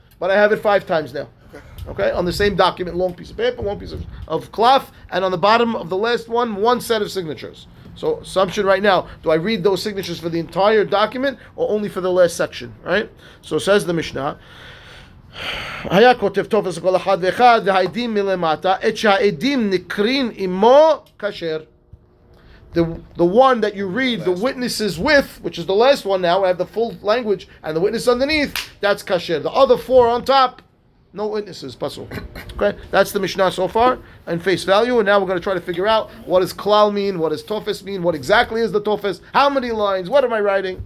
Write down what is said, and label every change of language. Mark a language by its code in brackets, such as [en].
[en] But I have it five times now. Okay? On the same document, long piece of paper, one piece of cloth, and on the bottom of the last one, one set of signatures. So, assumption right now, do I read those signatures for the entire document or only for the last section? Right? So, says the Mishnah, [he] היה כותב טופס כל אחד ואחד, והעדים מלמטה, את שהעדים נקרין עמו כשר. [en] The one that you read the witnesses with, which is the last one now, we have the full language, and the witness underneath, that's kasher. The other four on top, no witnesses, pasul. Okay, that's the Mishnah so far, and face value, and now we're going to try to figure out, what does klal mean, what does tofes mean, what exactly is the tofes, how many lines, what am I writing?